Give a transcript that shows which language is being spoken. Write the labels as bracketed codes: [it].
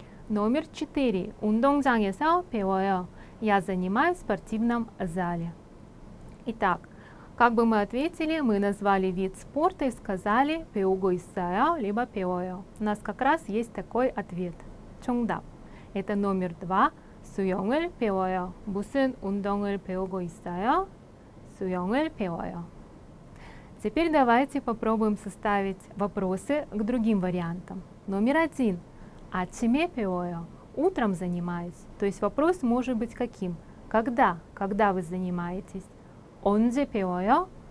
[ko] Номер 4. 운동장에서 배워요. [ru] Я занимаюсь в спортивном зале. Итак, как бы мы ответили, мы назвали вид спорта и сказали [ko] 배우고 있어요, [ru] либо 배워요. У нас как раз есть такой ответ. [ko] 정답. [ru] Это номер 2. [ko] 수영을 배워요. 무슨 운동을 배우고 있어요? 수영을 배워요. [ru] Теперь давайте попробуем составить вопросы к другим вариантам. Номер 1. [ko] 아침에 배워요. [ru] утром занимаюсь. То есть вопрос может быть каким? Когда? Когда вы занимаетесь? [ko] 언제 배워요?